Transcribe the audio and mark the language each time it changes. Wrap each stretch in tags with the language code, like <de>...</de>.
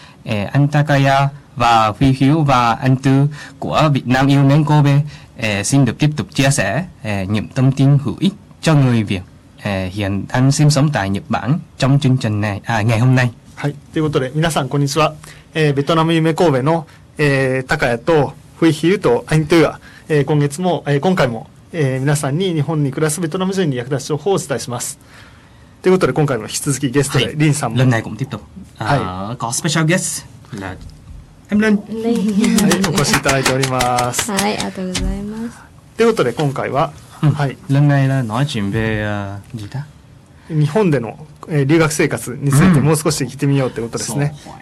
<vi>Anh Takaya và Vihu và anh Tư của Việt Nam yêu mến Kobe xin được tiếp tục chia sẻ những thông tin hữu ích cho người Việt hiện đang sinh sống tại Nhật Bản trong chương trình này ngày hôm nay.</vi> <ja>はい、ということで皆さんこんにちは、ベトナム夢神戸の、高谷とフィヒューとアイントゥア、今月も、今回も、皆さんに日本に暮らすベトナム人に役立つ情報をお伝えします。ということで今回も引き続きゲストで、はい、リンさんも</ja> <vi>lần này cũng tiếp tục có</vi> <en>special guest</en> <vi>là em Lân</vi> <ja>はい、お越しいただいておりますはい、ありがとうございますということで今回は、うん、はい、</ja> <vi>lần này là nói chuyện về gì ta</vi> <ja>日本での留学生活についてもう少し聞いてみようってことですね。</ja>